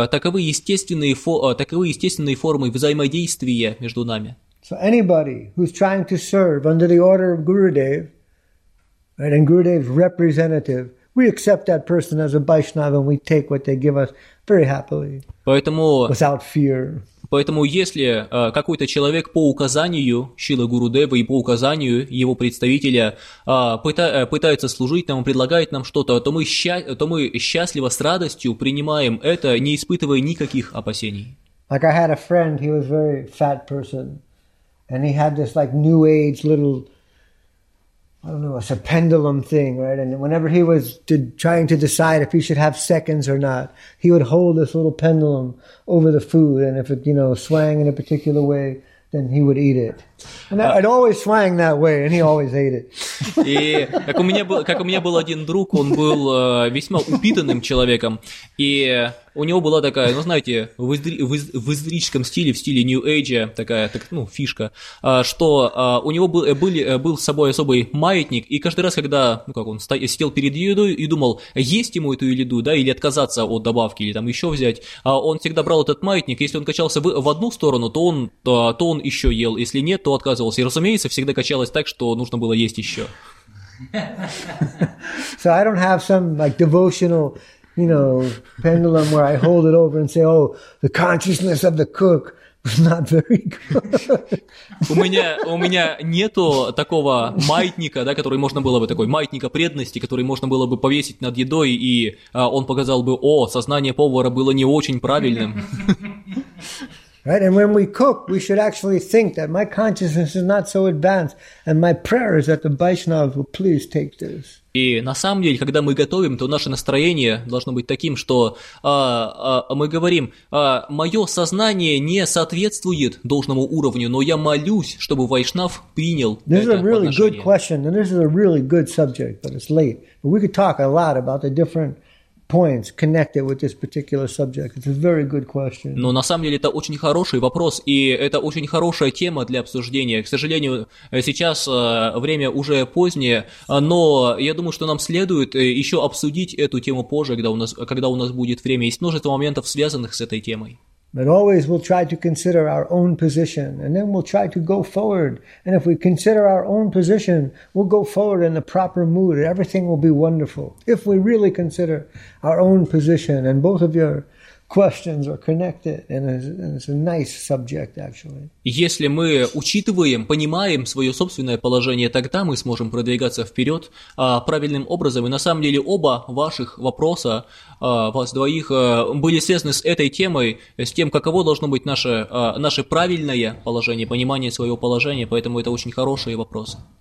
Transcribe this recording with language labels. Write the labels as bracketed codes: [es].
[ru] Таковы естественные формы взаимодействия между нами. [en] So anybody who's trying to serve under the order of Gurudev, right, and Gurudev's representative, we accept that person as a Vaishnava and we take what they give us very happily, without fear. [ru] Поэтому если какой-то человек по указанию Шрилы Гурудевы и по указанию его представителя пытается служить нам, предлагает нам что-то, то мы счастливо, с радостью принимаем это, не испытывая никаких опасений. [en] Like I had a friend, he was a very fat person, and he had this like new age little, I don't know, it's a pendulum thing, right? And whenever he was trying to decide if he should have seconds or not, he would hold this little pendulum over the food, and if it, you know, swang in a particular way, then he would eat it. And it always swang that way, and he always ate it. [ru] И как у меня был один друг, он был весьма упитанным человеком, и у него была такая, ну знаете, в эзотерическом стиле, в стиле New Age, такая, так, ну, фишка, что у него был с собой особый маятник, и каждый раз, когда, ну как, он сидел перед едой и думал, есть ему эту еду, да, или отказаться от добавки, или там еще взять, он всегда брал этот маятник, если он качался в одну сторону, то он еще ел, если нет, то отказывался, и, разумеется, всегда качалось так, что нужно было есть еще. [en] So I don't have some, like, devotional, you know, pendulum where I hold it over and say, oh, the consciousness of the cook was not very good. [ru] У меня нету такого маятника, да, который можно было бы, такой маятника преданности, который можно было бы повесить над едой, и он показал бы, о, сознание повара было не очень правильным. [en] Right, and when we cook, we should actually think that my consciousness is not so advanced, and my prayer is that the Vaishnavas will please take this. [ru] И на самом деле, когда мы готовим, то наше настроение должно быть таким, что мы говорим, мое сознание не соответствует должному уровню, но я молюсь, чтобы Вайшнав принял это отношение. [en] This is a really good question, and this is a really good subject, but it's late. But we could talk a lot about the different points connected with this particular subject. It's a very good question. [ru] Но на самом деле это очень хороший вопрос, и это очень хорошая тема для обсуждения. К сожалению, сейчас время уже позднее, но я думаю, что нам следует еще обсудить эту тему позже, когда у нас будет время. Есть множество моментов, связанных с этой темой. [en] But always we'll try to consider our own position, and then we'll try to go forward. And if we consider our own position, we'll go forward in the proper mood, and everything will be wonderful. If we really consider our own position, and both of your questions are connected, and it's a nice subject, actually. [ru] Если мы учитываем, понимаем свое собственное положение, тогда мы сможем продвигаться вперед правильным образом. И на самом деле оба ваших вопроса, вас двоих, были связаны с этой темой, с тем, каково должно быть наше правильное положение, понимание своего положения, поэтому это очень хорошие вопросы.